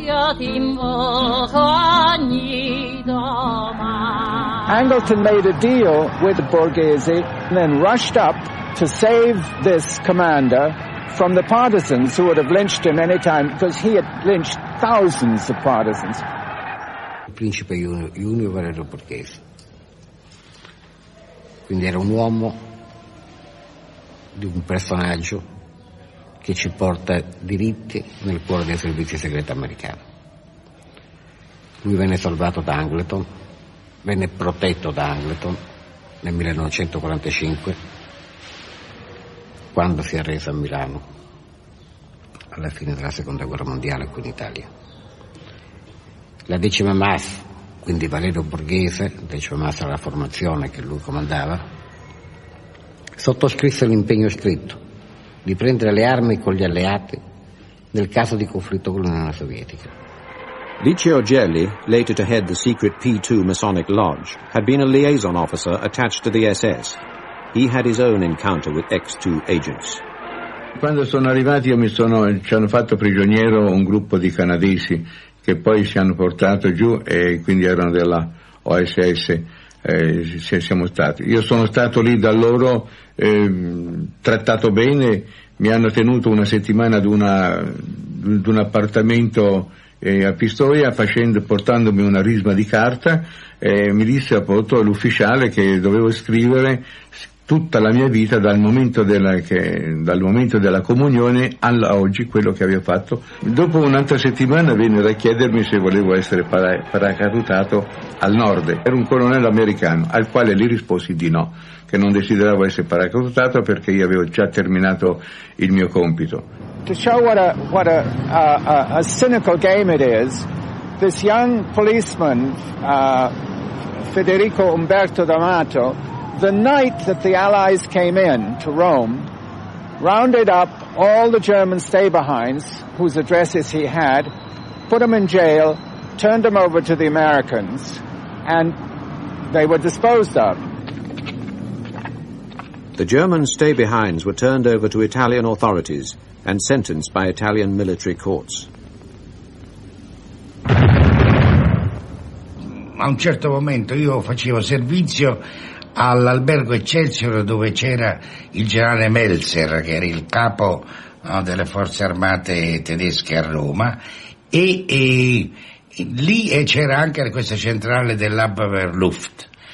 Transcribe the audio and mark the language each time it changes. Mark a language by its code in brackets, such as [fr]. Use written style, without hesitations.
[en] Angleton made a deal with Borghese and then rushed up to save this commander from the partisans who would have lynched him any time, because he had lynched thousands of partisans. [it] Principe Junior Valerio Borghese. Quindi era un uomo di un personaggio che ci porta diritti nel cuore dei servizi segreti americani. Lui venne salvato da Angleton, venne protetto da Angleton nel 1945, quando si arrese a Milano, alla fine della Seconda Guerra Mondiale qui in Italia. La decima MAS, quindi Valerio Borghese, decima MAS era la formazione che lui comandava, sottoscrisse l'impegno scritto di prendere le armi con gli alleati nel caso di conflitto con l'Unione Sovietica. [en] Licio Gelli, later to head the secret P2 Masonic Lodge, had been a liaison officer attached to the SS. He had his own encounter with X-2 agents. [it] Quando sono arrivati, ci hanno fatto prigioniero un gruppo di canadesi che poi ci hanno portato giù e quindi erano della OSS. Siamo stati. Io sono stato lì da loro, trattato bene, mi hanno tenuto una settimana d'un appartamento a Pistoia portandomi una risma di carta e mi disse appunto l'ufficiale che dovevo scrivere tutta la mia vita dal momento della comunione alla oggi, quello che avevo fatto. Dopo un'altra settimana vennero a chiedermi se volevo essere paracadutato al nord. Era un colonnello americano, al quale gli risposi di no, che non desideravo essere paracadutato perché io avevo già terminato il mio compito. [en] To show what a cynical game it is, this young policeman, Federico Umberto D'Amato, the night that the Allies came in to Rome, rounded up all the German stay-behinds whose addresses he had, put them in jail, turned them over to the Americans, and they were disposed of. The German stay-behinds were turned over to Italian authorities and sentenced by Italian military courts. [it] A un certo momento io facevo servizio all'albergo Excelsior, dove c'era il generale Meltzer, che era il capo delle forze armate tedesche a Roma, e lì c'era anche questa centrale dell'Abwehrluft.